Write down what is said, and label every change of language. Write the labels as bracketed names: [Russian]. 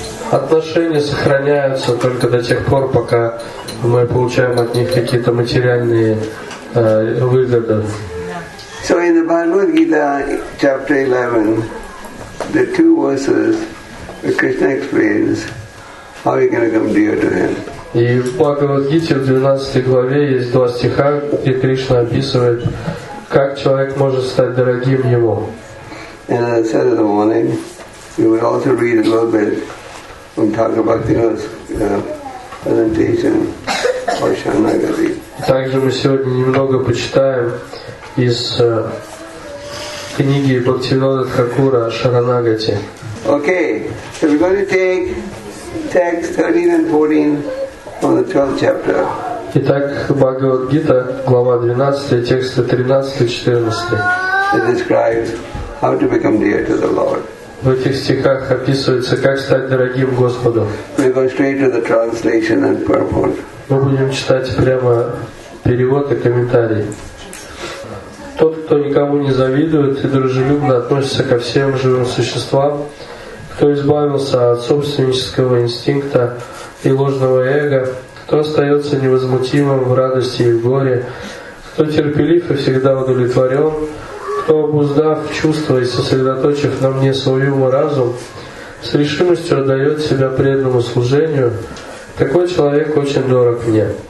[Russian] Отношения сохраняются только до тех пор, пока мы получаем от них какие-то материальные выгоды. [English] So in the Bhagavad Gita, chapter 11, the two verses where Krishna explains how you're going to come dear to him. [Russian] И в Бхагавад-гите в 12 главе есть два стиха, где Кришна описывает, как человек может стать дорогим ему. [English] And as I said in the morning, we will also read a little bit from Thakur-bhakti's presentation of Shanagati. [Russian] Также мы сегодня немного почитаем из книги Бхактивинода Тхакура Шаранагати. [English] Okay, so we're going to take text 13 and 14 from the 12th chapter. [Russian] Итак, Бхагавад-гита, глава 12, тексты 13 и 14. [English] It describes how to become dear to the Lord. [Russian] В этих стихах описывается, как стать дорогим Господу. [English] We're going straight to the translation and purport. [Russian] Мы будем читать прямо перевод и комментарий. Тот, кто никому не завидует и дружелюбно относится ко всем живым существам, кто избавился от собственнического инстинкта и ложного эго, кто остается невозмутимым в радости и в горе, кто терпелив и всегда удовлетворен, кто, обуздав чувства и сосредоточив на мне свой ум и разум, с решимостью отдает себя преданному служению, такой человек очень дорог мне.